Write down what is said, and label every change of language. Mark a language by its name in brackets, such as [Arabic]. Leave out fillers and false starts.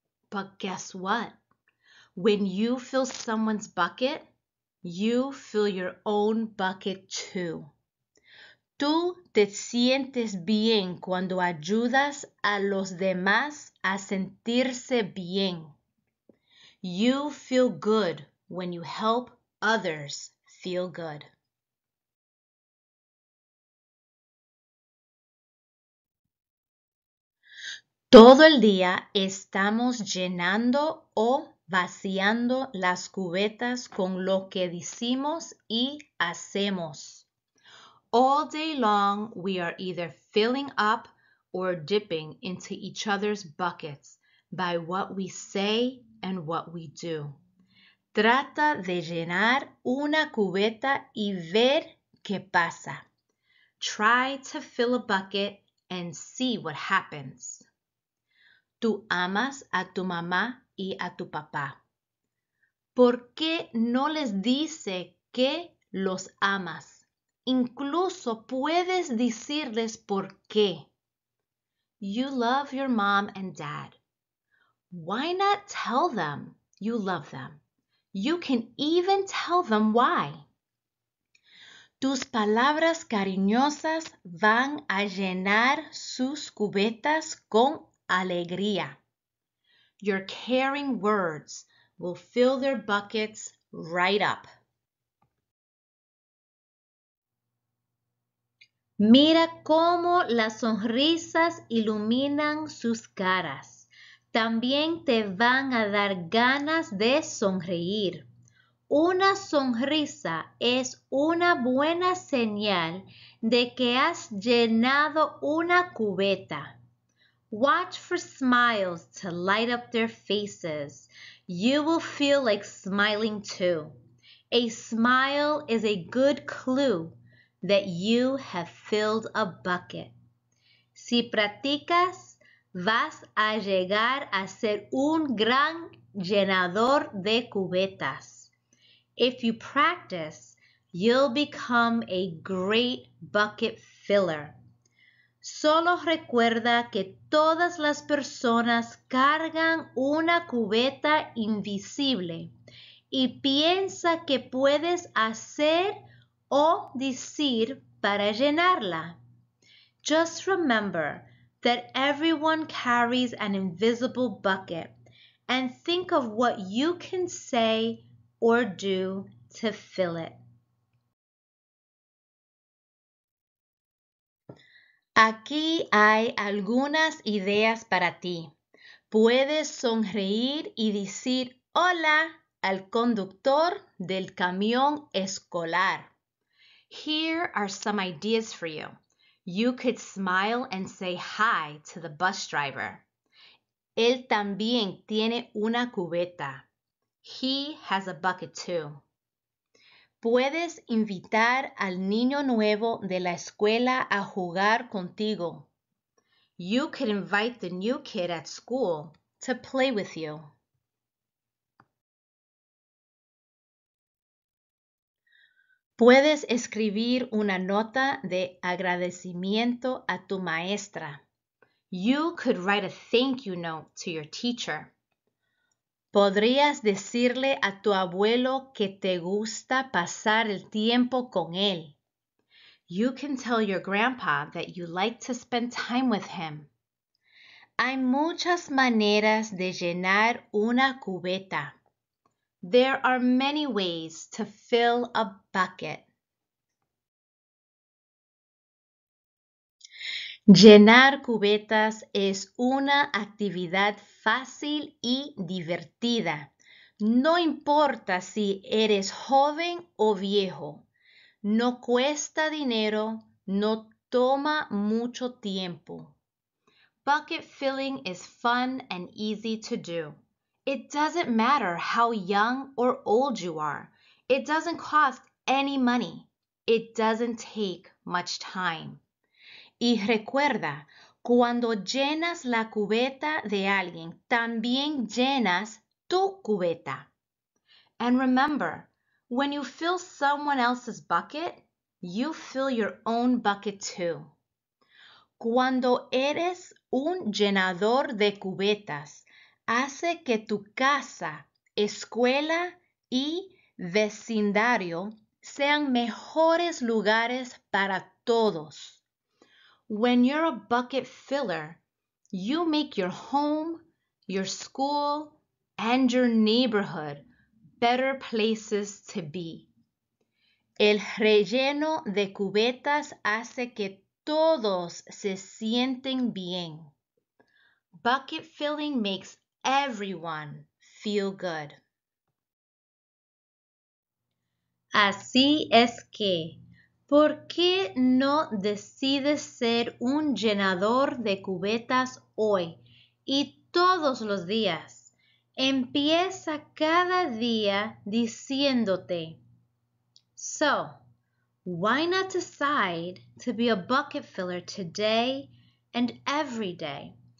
[English] But guess what? When you fill someone's bucket, you fill your own bucket too. [Spanish] Tú te sientes bien cuando ayudas a los demás a sentirse bien. [English] You feel good when you help others feel good. [Spanish] Todo el día estamos llenando o vaciando las cubetas con lo que decimos y hacemos. [English] All day long, we are either filling up or dipping into each other's buckets by what we say and what we do. [Spanish] Trata de llenar una cubeta y ver qué pasa. [English] Try to fill a bucket and see what happens. [Spanish] Tú amas a tu mamá y a tu papá. ¿Por qué no les dice que los amas? Incluso puedes decirles por qué. [English] You love your mom and dad. Why not tell them you love them? You can even tell them why. [Spanish] Tus palabras cariñosas van a llenar sus cubetas con alegría. [English] Your caring words will fill their buckets right up. [Spanish] Mira cómo las sonrisas iluminan sus caras. También te van a dar ganas de sonreír. Una sonrisa es una buena señal de que has llenado una cubeta. [English] Watch for smiles to light up their faces. You will feel like smiling too. A smile is a good clue that you have filled a bucket. [Spanish] Si practicas, vas a llegar a ser un gran llenador de cubetas. [English] If you practice, you'll become a great bucket filler. [Spanish] Solo recuerda que todas las personas cargan una cubeta invisible y piensa que puedes hacer o decir para llenarla. [English] Just remember that everyone carries an invisible bucket and think of what you can say or do to fill it. [Spanish] Aquí hay algunas ideas para ti. Puedes sonreír y decir hola al conductor del camión escolar. [English] Here are some ideas for you. You could smile and say hi to the bus driver. [Spanish] Él también tiene una cubeta. [English] He has a bucket too. [Spanish] Puedes invitar al niño nuevo de la escuela a jugar contigo. [English] You could invite the new kid at school to play with you. [Spanish] Puedes escribir una nota de agradecimiento a tu maestra. [English] You could write a thank you note to your teacher. [Spanish] Podrías decirle a tu abuelo que te gusta pasar el tiempo con él. [English] You can tell your grandpa that you like to spend time with him. [Spanish] Hay muchas maneras de llenar una cubeta. [English] There are many ways to fill a bucket. [Spanish] Llenar cubetas es una actividad fácil y divertida. No importa si eres joven o viejo. No cuesta dinero, no toma mucho tiempo. [English] Bucket filling is fun and easy to do. It doesn't matter how young or old you are. It doesn't cost any money. It doesn't take much time. [Spanish] Y recuerda, cuando llenas la cubeta de alguien, también llenas tu cubeta. [English] And remember, when you fill someone else's bucket, you fill your own bucket too. [Spanish] Cuando eres un llenador de cubetas, hace que tu casa, escuela y vecindario sean mejores lugares para todos. [English] When you're a bucket filler, you make your home, your school, and your neighborhood better places to be. [Spanish] El relleno de cubetas hace que todos se sienten bien. [English] Bucket filling makes everyone feel good. [Spanish] Así es que, ¿por qué no decides ser un llenador de cubetas hoy y todos los días? Empieza cada día diciéndote. [English] So, why not decide to be a bucket filler today and every day?